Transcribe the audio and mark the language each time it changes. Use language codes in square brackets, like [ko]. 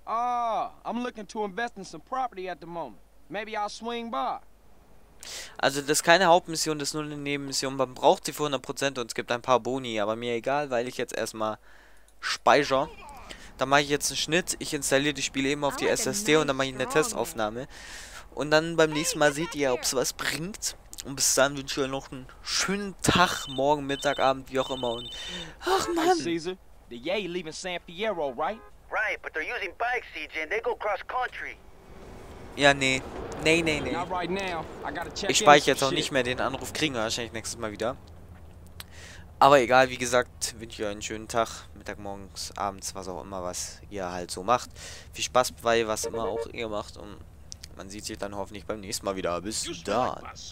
[en] Ah, I'm looking to invest in some property at the moment. Maybe I'll swing by. [de] Also das ist keine Hauptmission, das ist nur eine Nebenmission. Man braucht sie für 100% und es gibt ein paar Boni, aber mir egal, weil ich jetzt erstmal speichere. Dann mache ich jetzt einen Schnitt, ich installiere die Spiele eben auf die SSD und dann mache ich eine Testaufnahme. Und dann beim nächsten Mal seht ihr, ob es was bringt. Und bis dann wünsche ich euch noch einen schönen Tag, morgen, Mittag, Abend, wie auch immer. Und ach man! [en] The Yay leaving San Piero, right? Right, but they're using bikes, CJ, and they go cross country. [de] Ja, nee. Nee. Ich speichere jetzt auch nicht mehr den Anruf, kriegen wir wahrscheinlich nächstes Mal wieder. Aber egal, wie gesagt, wünsche ich euch einen schönen Tag. Mittag, morgens, abends, was auch immer, was ihr halt so macht. Viel Spaß bei was immer auch ihr macht. Und man sieht sich dann hoffentlich beim nächsten Mal wieder. Bis dann.